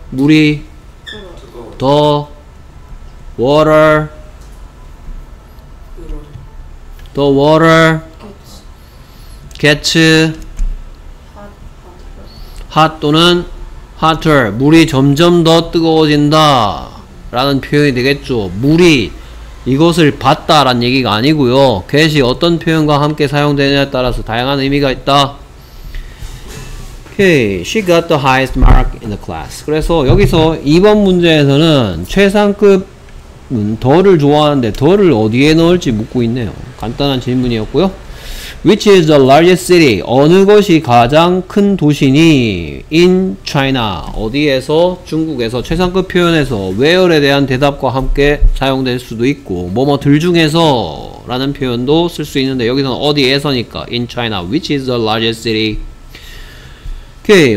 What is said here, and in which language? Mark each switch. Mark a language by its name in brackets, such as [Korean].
[Korean] 물이 [English] the water The water gets hot [Korean] 또는 [English] hotter [Korean] 물이 점점 더 뜨거워진다 라는 표현이 되겠죠. 물이 이것을 봤다 라는 얘기가 아니고요. get이 어떤 표현과 함께 사용되느냐에 따라서 다양한 의미가 있다. [English] Okay. She got the highest mark in the class. [Korean] 그래서 여기서 2번 문제에서는 최상급 더를 좋아하는데 더를 어디에 넣을지 묻고 있네요. 간단한 질문이었고요. [English] Which is the largest city? [Korean] 어느 것이 가장 큰 도시니? [English] In China. [Korean] 어디에서? 중국에서. 최상급 표현에서 where에 대한 대답과 함께 사용될 수도 있고 뭐뭐들 중에서 라는 표현도 쓸 수 있는데 여기서는 어디에서니까 In China. [English] Which is the largest city? OK. [Korean] 오케이.